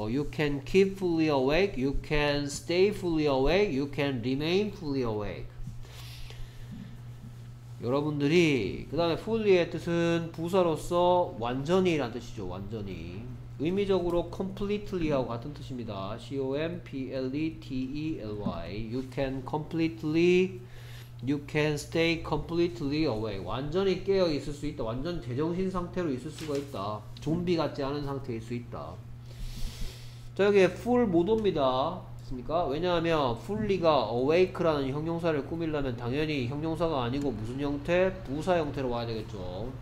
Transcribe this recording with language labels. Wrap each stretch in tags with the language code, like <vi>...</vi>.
<en>You can keep fully awake, you can stay fully awake, you can remain fully awake.</en> <ko>여러분들이 그 다음에 fully의 뜻은 부사로서 완전히 라는 뜻이죠. 완전히 의미적으로 completely하고 같은 뜻입니다.</ko> <en>completely. You can completely, you can stay completely awake.</en> <ko>완전히 깨어 있을 수 있다. 완전 제정신 상태로 있을 수가 있다. 좀비 같지 않은 상태일 수 있다. 자, 여기에 full 못 옵니다. 됐습니까? 왜냐하면 fully가 awake라는 형용사를 꾸밀려면 당연히 형용사가 아니고 무슨 형태? 부사 형태로 와야 되겠죠.</ko>